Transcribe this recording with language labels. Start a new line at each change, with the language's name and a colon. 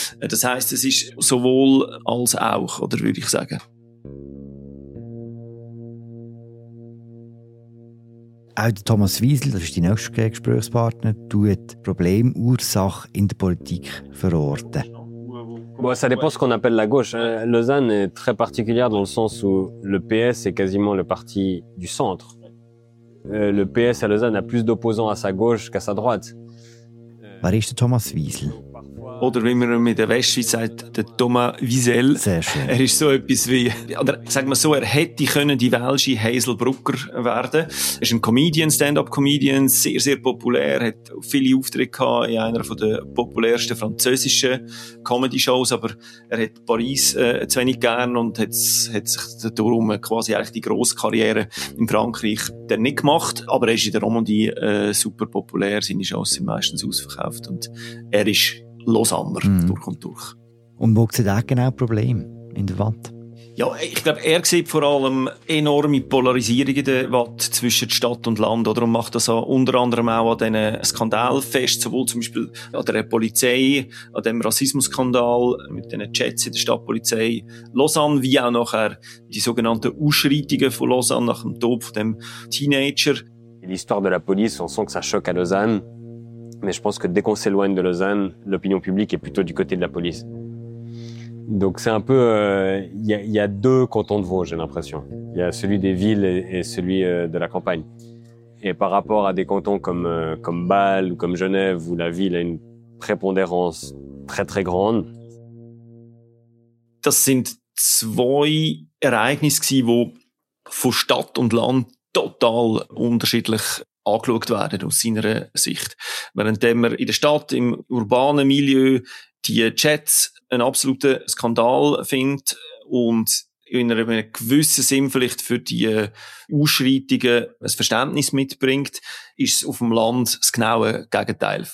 German: Das heisst, es ist sowohl als auch, oder würde ich sagen. Auch Thomas Wiesel, das ist dein nächster Gesprächspartner, tut Problemursache in der Politik verorten.
French: Bon, ça dépend ce qu'on appelle la gauche. Lausanne est très particulière dans le sens où le PS est quasiment le parti du centre. Le PS à Lausanne a plus d'opposants à sa gauche qu'à sa droite.
German: Wer ist der Thomas Wiesel? Oder wie man mit der Westschweiz sagt, der Thomas Wiesel. Sehr schön. Er ist so etwas wie, oder sagen wir so, er hätte können die welsche Haselbrugger werden. Er ist ein Comedian, Stand-up-Comedian, sehr, sehr populär, hat viele Auftritte gehabt in einer der populärsten französischen Comedy-Shows, aber er hat Paris zu wenig gern und hat sich darum quasi eigentlich die grosse Karriere in Frankreich dann nicht gemacht. Aber er ist in der Romandie super populär, seine Shows sind meistens ausverkauft und er ist Lausanner, durch und durch. Und wo sieht er genau Probleme in der Watt? Ja, ich glaube, er sieht vor allem enorme Polarisierung in der Watt zwischen Stadt und Land, oder? Und macht das unter anderem auch an diesen Skandal fest, sowohl zum Beispiel an der Polizei, an dem Rassismusskandal mit den Chats in der Stadtpolizei Lausanne, wie auch nachher die sogenannten Ausschreitungen von Lausanne nach dem Tod von dem Teenager.
French: L'histoire de la police, on sent que ça choque à Lausanne. Mais je pense que dès qu'on s'éloigne de Lausanne, l'opinion publique est plutôt du côté de la police. Donc c'est un peu... Il y a deux cantons de Vaud, j'ai l'impression. Il y a celui des villes et celui de la campagne. Et par rapport à des cantons comme Bâle ou comme Genève, où la ville a une prépondérance très, très grande...
German: Das sind zwei Ereignisse gsi, wo von Stadt und Land total unterschiedlich angeschaut werden, aus seiner Sicht. Währenddem er in der Stadt, im urbanen Milieu, die Chats einen absoluten Skandal findet und in einem gewissen Sinn vielleicht für die Ausschreitungen ein Verständnis mitbringt, ist es auf dem Land das genaue Gegenteil.